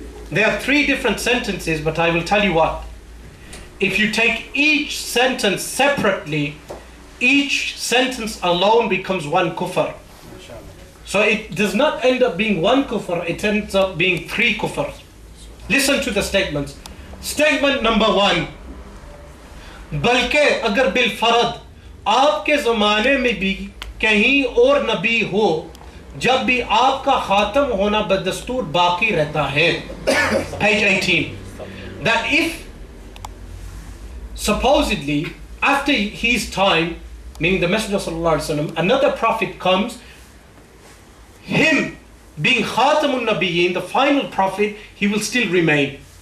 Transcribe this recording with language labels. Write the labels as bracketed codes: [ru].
[en] They are three different sentences, but I will tell you what. If you take each sentence separately, each sentence alone becomes one kufr. So it does not end up being one kufr, it ends up being three kufrs. Listen to the statements. Statement number one. [ur] بلکہ اگر بالفرد آپ کے زمانے میں بھی کہیں اور نبی ہو جب بھی آپ کا خاتم ہونا بدستور باقی رہتا ہے. [en] Page 18. That if supposedly after his time, meaning the Messenger صلی اللہ علیہ وسلم, another prophet comes, him being خاتم النبیین, the final prophet, he will still remain.